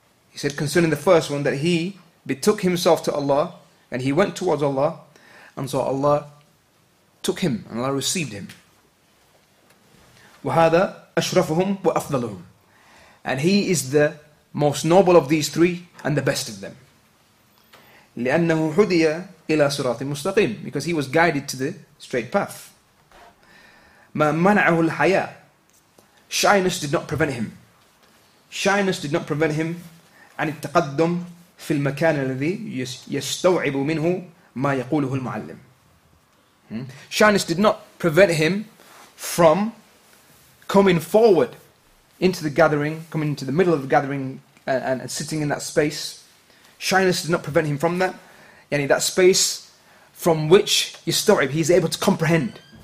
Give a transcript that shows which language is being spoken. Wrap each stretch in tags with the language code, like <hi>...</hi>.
<en>He said concerning the first one that he betook himself to Allah and he went towards Allah, and so Allah took him and Allah received him.</en> <ar>وهذا أشرفهم وأفضلهم.</ar> <en>And he is the most noble of these three and the best of them.</en> <ar>لأنه هدي إلى صراط مستقيم.</ar> <en>Because he was guided to the straight path.</en> <ar>ما منعه الحياء.</ar> <en>Shyness did not prevent him. Shyness did not prevent him</en> <ar>عن التقدم في المكان الذي يستوعب منه ما يقوله المعلم.</ar> <en>Shyness did not prevent him from coming forward into the gathering, coming into the middle of the gathering and sitting in that space. Shyness did not prevent him from that. Yani that space from which يستوعب, he's able to comprehend.</en>